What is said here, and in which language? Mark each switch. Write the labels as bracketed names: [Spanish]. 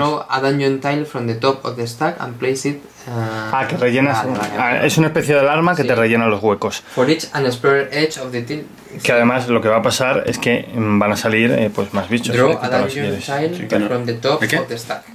[English] Draw a dungeon tile from the top of the stack and place it. [Spanish] Que rellenas. Es una especie de alarma que sí. Te rellena los huecos. [English] For each unexplored edge of the tile. [Spanish] Que además lo que va a pasar es que van a salir pues más bichos. [English] Draw a dungeon tile from the top of the stack.